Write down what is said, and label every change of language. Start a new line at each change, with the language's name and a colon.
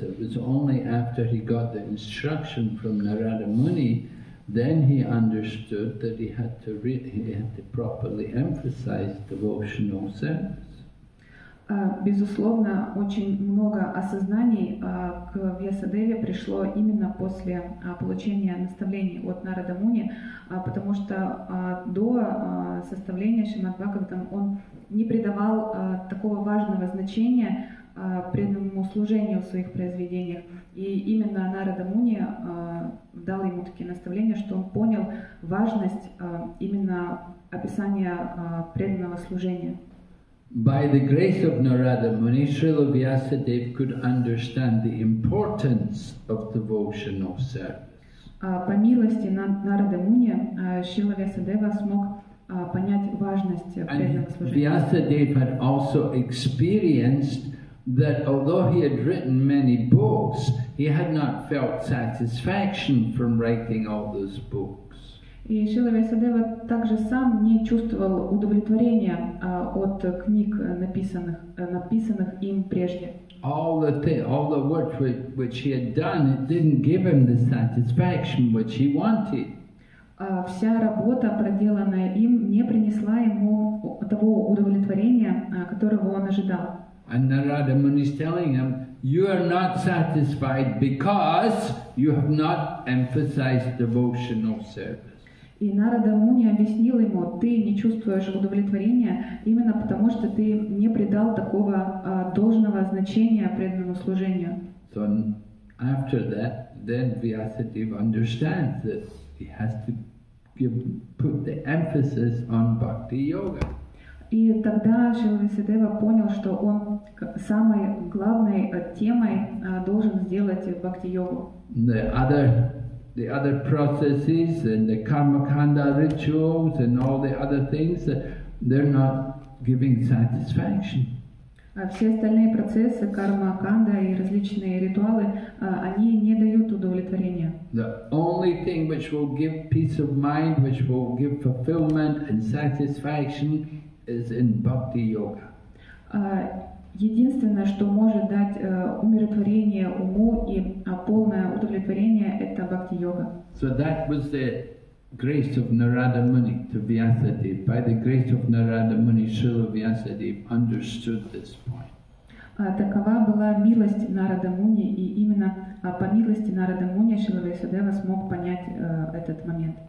English: It was only after he got the instruction from Narada Muni, then he understood that he had to properly emphasize devotional service.
Russian: Безусловно, очень много осознаний к Вьясадеве пришло именно после получения наставлений от Нарада Муни, потому что до составления Шримад-Бхагаватам он не придавал такого важного значения преданному служению в своих произведениях. И именно Нарада Муни дал ему такие наставления, что он понял важность именно описания преданного служения.
English: By the grace of Narada Muni, Srila Vyasadeva could understand the importance of devotional service.
Russian: По милости Нарада Муни, Шрила Вьясадева смог понять важность преданного служения.
English: Vyasadeva had also experienced that although he had written many books, he had not felt satisfaction from writing all those books.
Russian: И Шрила Вьясадева также сам не чувствовал удовлетворения от книг, написанных им прежде.
English: All the work which he had done, it didn't give him the satisfaction which he wanted.
Russian: Вся работа, проделанная им, не принесла ему того удовлетворения, которого он ожидал.
English: And Narada Muni is telling him, you are not satisfied because you have not emphasized devotional service.
Russian: И Нарада Муни объяснил ему, ты не чувствуешь удовлетворения именно потому, что ты не придал такого должного значения преданному служению.
English: So after that, then Vyasadeva understands that he has to put the emphasis on bhakti yoga.
Russian: И тогда Шрила Вьясадева понял, что он самой главной темой должен сделать бхакти йогу.
English: The other processes and the karmakanda rituals and all the other things, they're not giving satisfaction.
Russian: Все остальные процессы, карма-канда и различные ритуалы, они не дают удовлетворения.
English: The only thing which will give peace of mind, which will give fulfillment and satisfaction is in bhakti yoga.
Russian: Единственное, что может дать умиротворение уму и полное удовлетворение, это бхакти-йога.
English: So that was the grace of Narada Muni to Vyasadeva. By the grace of Narada Muni, Srila Vyasadeva understood this point.
Russian: Такова была милость Нарада Муни, и именно по милости Нарада Муни Шрила Вьясадева смог понять этот момент.